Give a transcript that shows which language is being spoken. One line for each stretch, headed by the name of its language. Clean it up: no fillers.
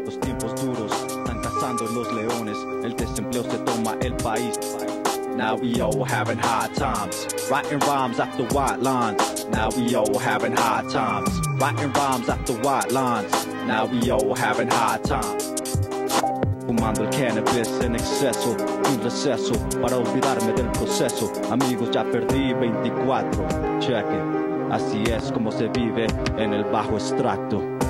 Spanish: Los tiempos duros, están cazando los leones. El desempleo se toma el país.
English: Now we all having hard times, writing rhymes off the white lines. Now we all having hard times, writing rhymes off the white lines. Now we all having hard times.
Spanish: Fumando el cannabis en exceso, un receso, para olvidarme del proceso. Amigos, ya perdí 24,
English: check it.
Spanish: Así es como se vive en el bajo extracto.